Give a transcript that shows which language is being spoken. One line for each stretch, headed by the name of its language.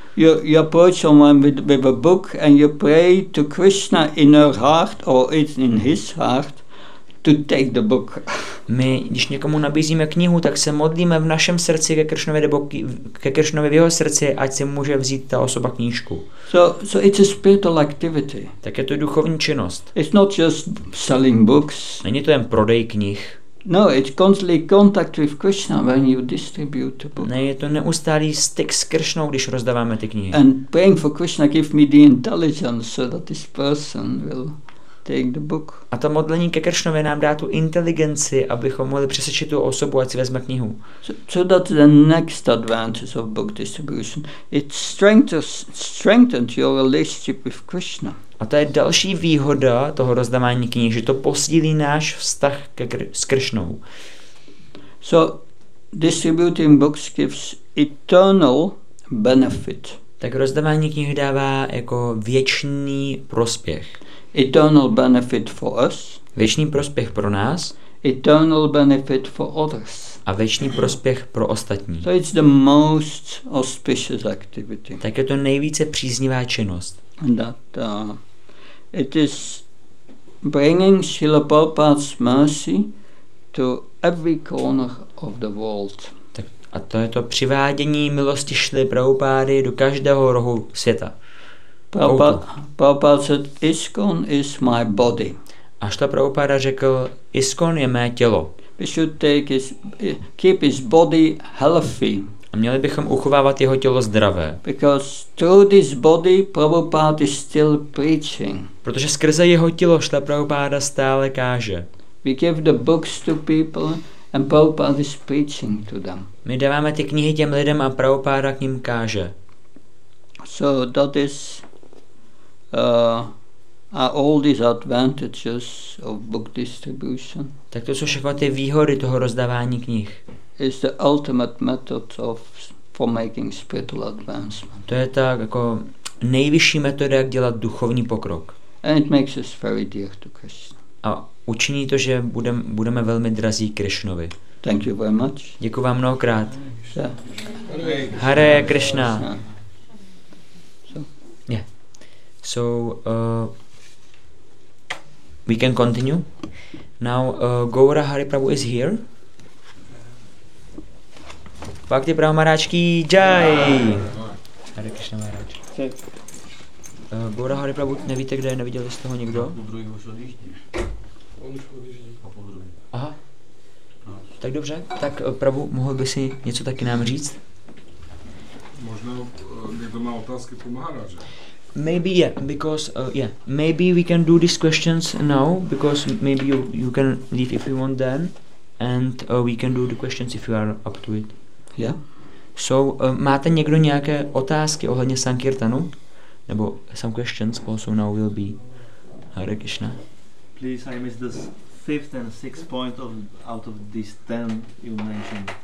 English: You approach someone with a book and you pray to Krishna in her heart or it's in his heart to take the book.
Czech: My, když někomu nabízíme knihu, tak se modlíme v našem srdci ke Krishnovi v jeho srdci, ať si může vzít ta osoba knížku.
English: So it's a spiritual activity.
Czech: Tak je to duchovní činnost.
English: It's not just selling books.
Czech: Není to jen prodej knih.
English: No, it's constantly contact with Krishna when you distribute the book.
Czech: Ne, je to neustálý styk s Krishnou, když rozdáváme ty knihy.
English: And praying for Krishna, give me the intelligence so that this person will take the book.
Czech: A to modlení ke Kršnovi nám dá tu inteligenci, abychom mohli přesvědčit tu osobu, ať si vezme knihu.
English: So that's the next advantage of book distribution. It strengthens your relationship with Krishna.
Czech: A to je další výhoda toho rozdávání knih, že to posílí náš vztah s Kršnou.
English: So distributing books gives eternal benefit.
Czech: Tak rozdávání knih dává jako věčný prospěch.
English: Eternal benefit for us.
Czech: Věčný prospěch pro nás.
English: Eternal benefit for others.
Czech: A věčný prospěch pro ostatní.
English: So it's the most auspicious activity.
Czech: Tak je to nejvíce příznivá činnost.
English: That it is bringing Srila Prabhupada's mercy to every corner of the world.
Czech: Tak a to je to přivádění milosti Srila Prabhupády do každého rohu světa.
English: Prabhupada said, ISKCON is my body.
Czech: A šta Prabhupada řekl, ISKCON je mé tělo.
English: We should keep his body healthy.
Czech: A měli bychom uchovávat jeho tělo zdravé.
English: Because through this body Prabhupada is still preaching.
Czech: Protože skrze jeho tělo šta Prabhupada stále káže.
English: We give the books to people and Prabhupada is preaching to them.
Czech: My dáváme ty knihy těm lidem a Prabhupada k ním káže.
English: So that is are all these advantages of book distribution.
Czech: Tak to jsou všechno ty výhody toho rozdávání knih.
English: Is the ultimate method for making spiritual advancement.
Czech: To je tak jako nejvyšší metoda, jak dělat duchovní pokrok.
English: And it makes us very dear to Krishna.
Czech: A učiní to, že budeme velmi drazí Krishnovi.
English: Thank you very much.
Czech: Děkuji vám mnohokrát. Hare Krishna.
English: So we can continue. Now Gaura Hari Prabhu is here.
Hindi: Bhakti Prabhu Maharaj ki jai. Hare Krishna Maharaj.
Czech: Gaura Hari Prabhu, nevíte kde, neviděli jste ho někdo? Po druhý už odjíždí. Aha. Tak dobře, tak Prabhu, mohl by si něco taky nám říct? Možná někdo má otázky po Maharaj.
English: Maybe maybe we can do these questions now, because maybe you can leave if you want then, and we can do the questions if you are up to it. Yeah.
Czech: So, máte někdo nějaké otázky ohledně sankirtanu?
English: Nebo some questions also now will be Hare Krishna. Please, I missed the fifth and sixth point of out of these 10 you mentioned.